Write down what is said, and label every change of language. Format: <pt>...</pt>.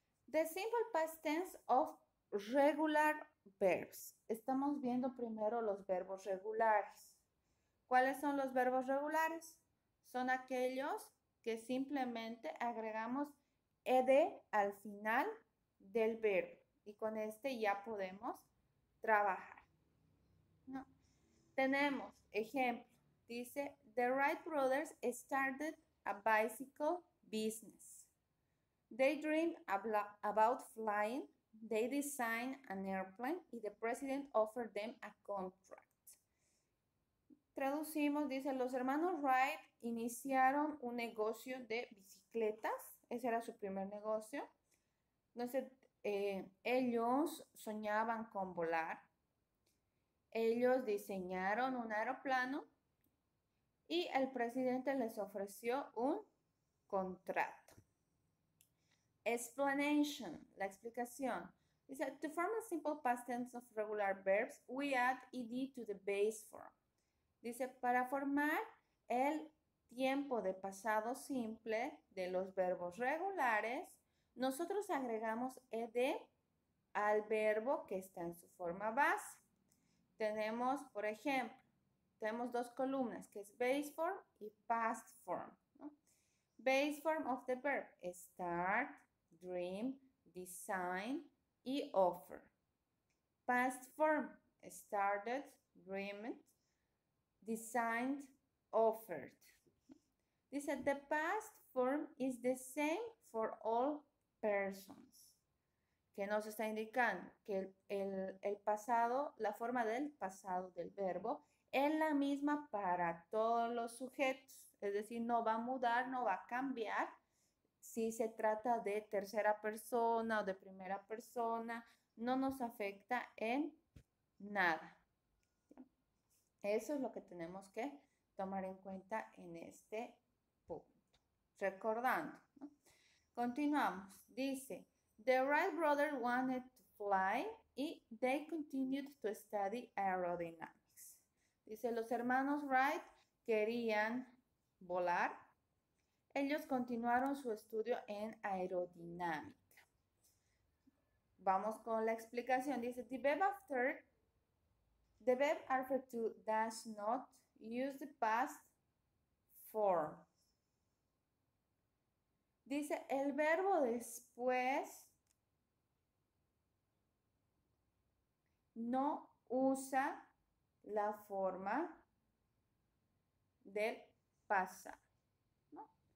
<en>The Simple Past Tense of Regular Verbs.</en> <es>Estamos viendo primero los verbos regulares. ¿Cuáles son los verbos regulares? Son aquellos que simplemente agregamos ed al final del verbo y con este ya podemos trabajar, ¿no? Tenemos ejemplo, dice</es> <en>The Wright Brothers started a bicycle business. They dreamed about flying. They designed an airplane y the president offered them a contract.</en> <es>Traducimos, dice, los hermanos Wright iniciaron un negocio de bicicletas. Ese era su primer negocio. Entonces, ellos soñaban con volar. Ellos diseñaron un aeroplano y el presidente les ofreció un contrato. Explanation, la explicación.</es> <en>Dice, to form a simple past tense of regular verbs, we add ed to the base form.</en> <es>Dice, para formar el tiempo de pasado simple de los verbos regulares, nosotros agregamos ed al verbo que está en su forma base. Tenemos, por ejemplo, tenemos dos columnas, que es base form y past form, ¿no?</es> <en>Base form of the verb, start, dream, design y offer. Past form, started, dreamed, designed, offered. Dice, the past form is the same for all persons.</en> <es>¿Qué nos está indicando? Que el pasado, la forma del pasado del verbo es la misma para todos los sujetos. Es decir, no va a mudar, no va a cambiar. Si se trata de tercera persona o de primera persona, no nos afecta en nada. Eso es lo que tenemos que tomar en cuenta en este punto. Recordando, ¿no? Continuamos.</es> <en>Dice, The Wright Brothers wanted to fly y they continued to study aerodynamics.</en> <es>Dice, los hermanos Wright querían volar. Ellos continuaron su estudio en aerodinámica. Vamos con la explicación.</es> <en>Dice, the verb after. The verb after to does not use the past form.</en> <es>Dice, el verbo después no usa la forma del pasado, ¿no?</es>